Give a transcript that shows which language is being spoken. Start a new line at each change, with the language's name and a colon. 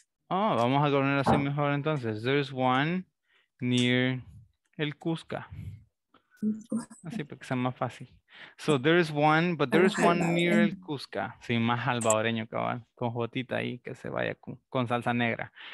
Spanish: Oh, vamos a poner así mejor entonces.
English: There's one near
Spanish: el Cusca. Así porque sea más fácil.
English: So there is one, but there is one near el Cusca.
Spanish: Sí, más salvadoreño, cabal. Con jotita ahí que se vaya con salsa negra.